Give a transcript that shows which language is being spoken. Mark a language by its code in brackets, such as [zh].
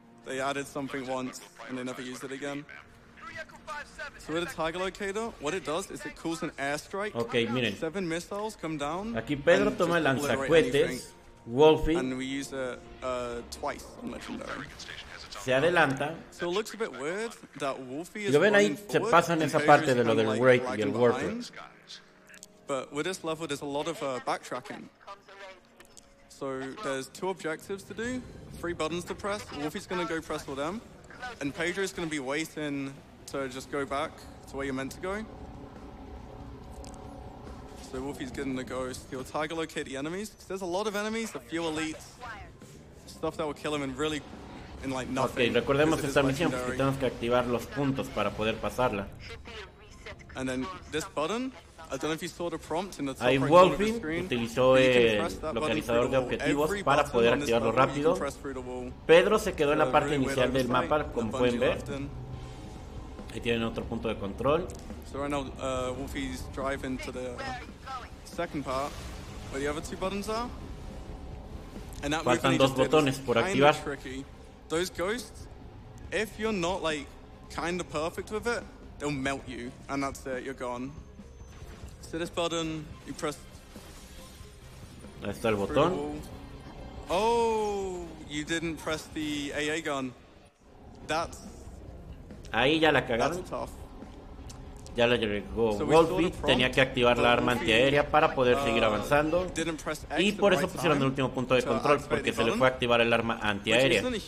[en] They added something once and they never used it again. So with the target locator, what it does is it calls an airstrike. [es] Okay, miren. [en] 7 missiles come down. [es] Aquí Pedro toma lanzacohetes, Wolfie. [en] And we use it twice on Legendary. [es] Se adelanta. [en] So it looks a bit weird that Wolfie is [es] lo ven ahí, [en] forward, [es] se pasan esa parte de lo del Wraith y el Warper. [en] But with this level, there's a lot of backtracking. So there's two objectives to do, 3 buttons to press. Wolfie's going to go press all them. And Pedro's going to be waiting to just go back to where you're meant to go. So Wolfie's getting the ghost. He'll target locate the enemies. So there's a lot of enemies, a few elites, stuff that will kill him in really... [es] Okay, recordemos esta misión porque tenemos que activar los puntos para poder pasarla. [en] And then this button, I don't know if you saw the prompt in the top. [es] Ahí Wolfie utilizó el localizador de objetivos para poder activarlo rápido. Pedro se quedó en la parte inicial del mapa, como pueden ver. Ahí tienen otro punto de control. [en] So right now, Wolfie's driving to the second part where the other two buttons are. And that [es] faltan dos botones por activar. [en] Those ghosts, if you're not like kind of perfect with it, they'll melt you, and that's it, you're gone. So this button, you press. [es] Ahí está el botón. [en] Oh, you didn't press the AA gun. That's. [es] Ahí ya la cagaron. [en] That's tough. [es] Ya le llegó Wolfie, tenía que activar la arma antiaérea para poder seguir avanzando. Y por eso pusieron el último punto de control, porque se le fue a activar el arma antiaérea.